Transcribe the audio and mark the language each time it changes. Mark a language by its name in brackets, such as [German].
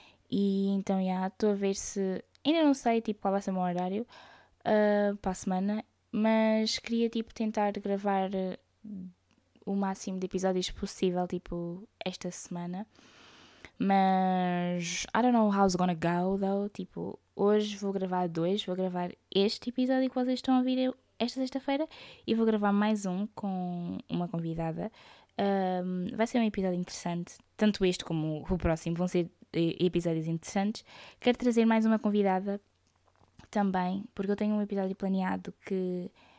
[Portuguese] E então, já, estou a ver se... Ainda não sei, tipo, qual vai ser o meu horário para a semana. Mas queria, tipo, tentar gravar o máximo de episódios possível, tipo, esta semana. Mas, [English] I don't know how it's gonna go, though. [Portuguese] Tipo, hoje vou gravar dois. Vou gravar este episódio que vocês estão a ouvir esta sexta-feira. E vou gravar mais um com uma convidada. Vai ser um episódio interessante. Tanto este como o próximo vão ser episódios interessantes. Quero trazer mais uma convidada também. Porque eu tenho um episódio planeado que...